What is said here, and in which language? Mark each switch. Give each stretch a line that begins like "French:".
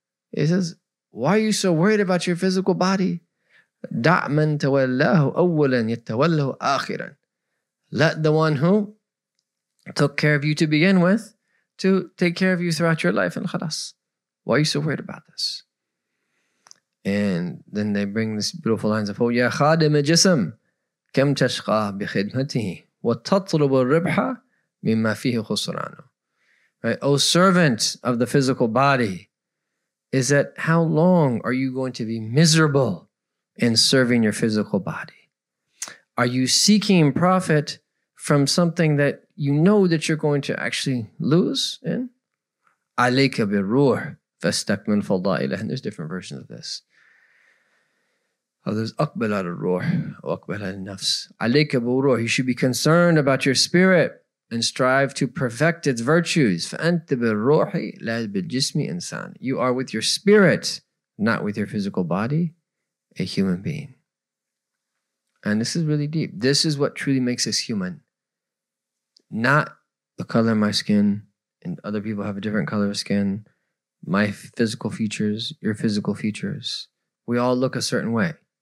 English: He says, why are you so worried about your physical body?
Arabic: دَعْ مَنْ تَوَلَّهُ أَوَّلًا يَتَوَلَّهُ آخِرًا.
English: Let the one who took care of you to begin with to take care of you throughout your life.
Arabic: الخلاص.
English: Why are you so worried about this? And then they bring this beautiful lines of,
Arabic: يَا خَادِمَ جِسَمْ كَمْ تَشْقَى بِخِدْمَتِهِ وَتَطْلُبُ الرِّبْحَ مِمَّا فِيهِ خُسْرَانُ.
English: Right? O servant of the physical body, is that how long are you going to be miserable in serving your physical body? Are you seeking profit from something that you know that you're going to actually lose in?
Arabic: عَلَيْكَ بِالرُّوحِ فَاسْتَكْمِنْ فَضَائِلَهِ.
English: And there's different versions of this.
Arabic: Others, أقبل على الروح وأقبل على النفس. عليك بروح.
English: You should be concerned about your spirit and strive to perfect its virtues.
Arabic: فأنت بالروح لا بالجسم إنسان.
English: You are with your spirit, not with your physical body, a human being. And this is really deep. This is what truly makes us human. Not the color of my skin, and other people have a different color of skin. My physical features, your physical features. We all look a certain way.